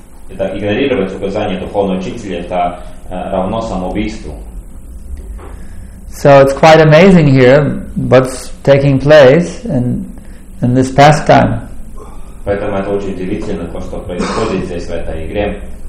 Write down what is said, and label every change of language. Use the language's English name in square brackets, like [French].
[Russian] Игнорировать указания духовного учителя это равно самоубийству. [English] So it's quite amazing here what's taking place in this pastime. [Russian] Поэтому это очень удивительно то, что происходит здесь в этой игре.